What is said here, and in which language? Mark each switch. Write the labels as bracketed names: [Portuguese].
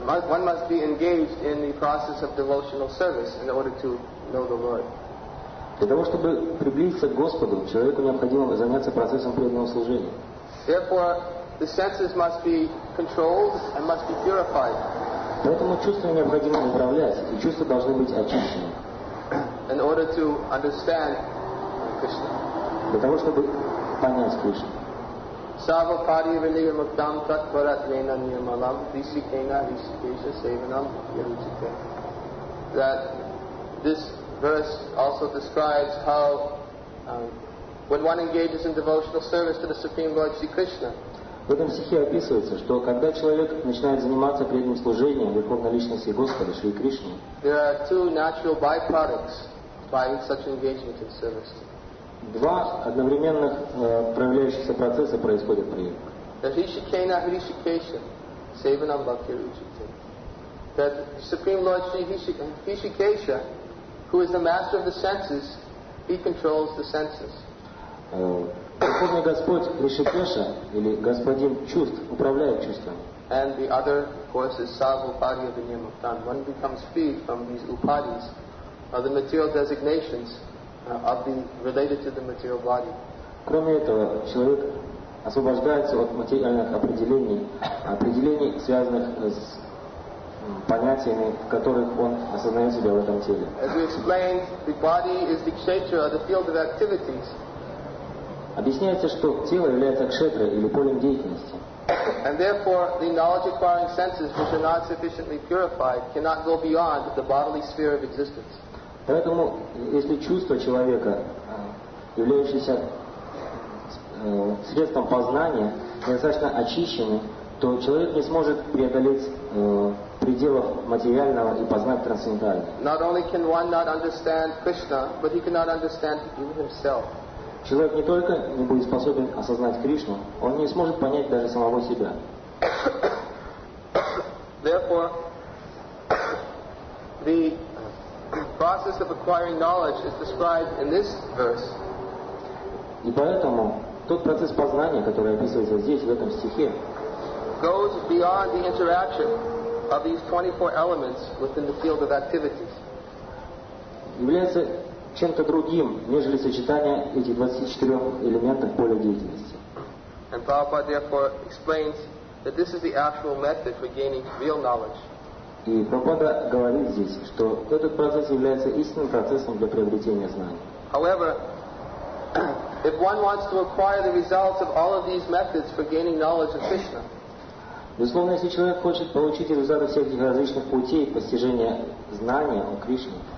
[English] One must be engaged in the process of devotional service in order to know the Lord. [Russian] Для того, чтобы приблизиться к Господу, человеку необходимо заняться процессом преданного служения. [English] Therefore, the senses must be controlled and must be purified. [Russian] Поэтому чувства необходимо управлять, и чувства должны быть очищены. [English] In order to understand Krishna. [Russian] Для того, чтобы понять Кришну. [Sanskrit] Sava pari vilaya muktam tat parat vena niyamalam visikena visikesha sevanam yarujite. [English] That this verse also describes how when one engages in devotional service to the Supreme Lord Sri Krishna. [Russian] В этом стихе описывается, что когда человек начинает заниматься преданным служением Верховной Личности Господа Шри Кришны, [English] there are two natural byproducts by such engagement in service. [Russian] Два одновременных проявляющихся процесса происходят при этом. [Sanskrit] Hrishikena Hrishikesha Sevanam Bhakti Ruchite. [English] That Supreme Lord Sri Hrishikesha, who is the master of the senses, he controls the senses. [Russian] Верховный Господь Хришикеша, или Господин чувств, управляет чувствами. [English] And the other, of course, is [Sanskrit] Sava Upadhi Abhinyam Uptan. [English] One becomes free from these upadis, the material designations of the related to the material body. [Russian] Кроме этого, человек освобождается от материальных определений, определений, связанных с понятиями, в которых он осознает себя в этом теле. [English] As we explained, the body is the kshetra, the field of activities. [Russian] Объясняется, что тело является кшетрой или полем деятельности. [English] And therefore, the knowledge-acquiring senses, which are not sufficiently purified, cannot go beyond the bodily sphere of existence. [Russian] Поэтому, если чувства человека, являющиеся средством познания, достаточно очищены, то человек не сможет преодолеть пределов материального и познать трансцендентальное. [English] Not only can one not understand Krishna, but he cannot understand even himself. [Russian] Человек не только не будет способен осознать Кришну, он не сможет понять даже самого себя. [English] Therefore, the process of acquiring knowledge is described in this verse. [Russian] И поэтому тот процесс познания, который описывается здесь, в этом стихе, [English] goes beyond the interaction of these 24 elements within the field of activities. [Russian] Является чем-то другим, нежели сочетание этих 24 элементов поля деятельности. [English] And Prabhupada therefore explains that this is the actual method for gaining real knowledge. [Russian] И Прабхупада говорит здесь, что этот процесс является истинным процессом для приобретения знаний. [English] However, if one wants to acquire the results of all of these methods for gaining knowledge of Krishna, [Russian] безусловно, если человек хочет получить результаты всех этих различных путей постижения знания о Кришне,